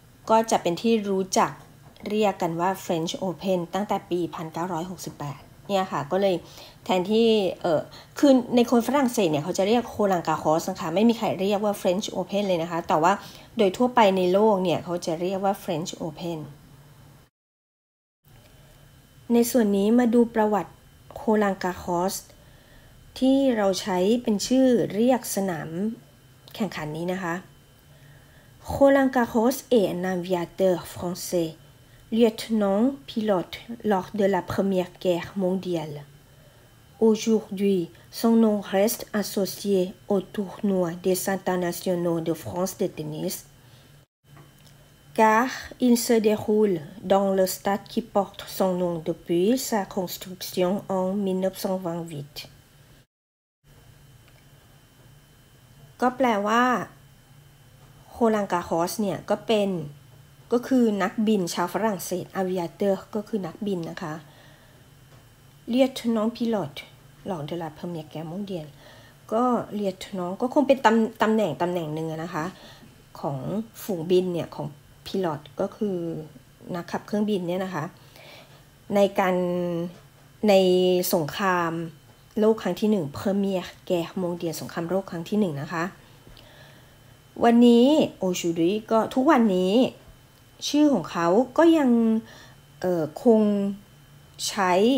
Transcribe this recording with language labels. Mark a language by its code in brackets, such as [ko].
[th] ก็จะเป็นที่รู้จักเรียกกันว่า French Open ตั้งแต่ปี1968เนี่ยค่ะก็เลยแทนที่คือในคนฝรั่งเศสเนี่ยเขาจะเรียกโคลังกาคอสนะคะไม่มีใครเรียกว่า French Open เลยนะคะแต่ว่าโดยทั่วไปในโลกเนี่ยเขาจะเรียกว่า French Open ในส่วนนี้มาดูประวัติโคลังกาคอสที่เราใช้เป็นชื่อเรียกสนามแข่งขันนี้นะคะ [fr] Roland Garros est un aviateur français, lieutenant pilote lors de la Première Guerre mondiale. Aujourd'hui, son nom reste associé au tournoi des internationaux de France de tennis, car il se déroule dans le stade qui porte son nom depuis sa construction en 1928. [th] ก็แปลว่าโคลังกาฮอสเนี่ยก็เป็นก็คือนักบินชาวฝรั่งเศสอาวิเอเตอร์ก็คือนักบินนะคะ เรียกน้องพิลอตหลองเดลาเพอร์เมียแกมงเดียนก็เรียกน้องก็คงเป็นตำแหน่งหนึ่งนะคะของฝูงบินเนี่ยของพิลอตก็คือนักขับเครื่องบินเนี่ยนะคะในการในสงครามโลกครั้งที่1 [fr] Première Guerre mondiale [th] สงครามโลกครั้งที่1 นะคะวันนี้ [fr] aujourd'hui [th] ก็ทุกวันนี้ชื่อของเขาก็ยังคงใช้